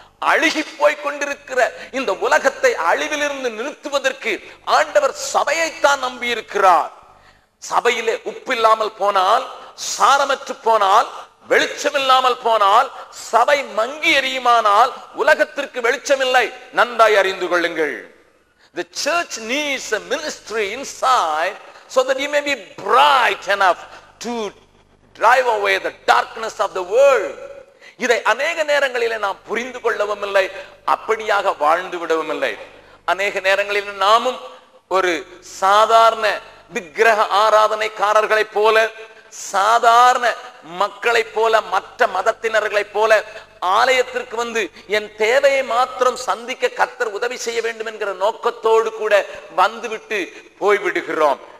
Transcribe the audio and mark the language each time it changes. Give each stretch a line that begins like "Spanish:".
Tamil: அழுகி போய் கொண்டிருக்கிற இந்த உலகத்தை அழிவிலிருந்து நிறுத்துவதற்கு ஆண்டவர் சபையைத்தான் நம்பி இருக்கிறார். சபையிலே உப்பு இல்லாமல் போனால், சாரமற்று போனால், வெளிச்சம் இல்லாமல் போனால், சபை மங்கி எரியுமானால் உலகத்திற்கு வெளிச்சம் இல்லை. நன்றாய் அறிந்து கொள்ளுங்கள்,
English: The church needs a ministry inside so that you may be bright enough to drive away the darkness of the world.
Tamil: இதை அநேக நேரங்களிலே நாம் புரிந்து கொள்ளவும் இல்லை, அப்படியாக வாழ்ந்து விடவும் இல்லை. அநேக நேரங்களில் நாமும் ஒரு சாதாரண விக்கிரக ஆராதனைக்காரர்களைப் போல, சாதாரண மக்களை போல, மற்ற மதத்தினர்களைப் போல ஆலயத்திற்கு வந்து என் தேவையை மாத்திரம் சந்திக்க கர்த்தர் உதவி செய்ய வேண்டும் என்கிற நோக்கத்தோடு கூட வந்துவிட்டு போய்விடுகிறோம்.